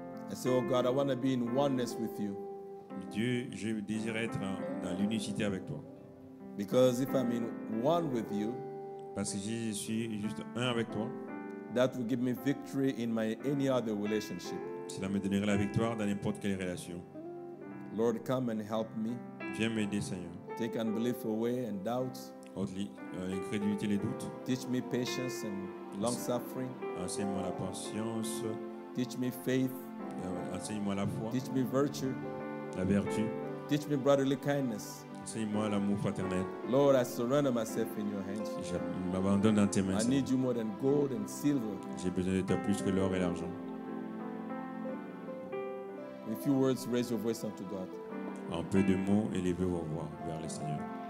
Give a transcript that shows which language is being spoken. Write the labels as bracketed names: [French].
[English] And say, oh God, I want to be in oneness with you. [French] Dieu, je désire être dans l'unicité avec toi. [English] Because if I'm in one with you, [French] parce que si je suis juste un avec toi, [English] that will give me victory in my any other relationship. [French] Cela me donnera la victoire dans n'importe quelle relation. [English] Lord, come and help me. [French] Viens m'aider, Seigneur. [English] Take unbelief away and doubts. [French] Ôte l'incrédulité et les doutes. [English] Teach me patience and long suffering. [French] Enseigne-moi la patience. [English] Teach me faith. [French] Enseigne-moi la foi. [English] Teach me virtue. [French] La vertu. [English] Teach me brotherly kindness. [French] Enseigne-moi l'amour fraternel. [English] Lord, I surrender myself in your hands. [French] Je m'abandonne dans tes mains. [English] I need you more than gold and silver. [French] J'ai besoin de toi plus que l'or et l'argent. [English] In a few words, raise your voice unto God. [French] En peu de mots, élevez vos voix vers le Seigneur.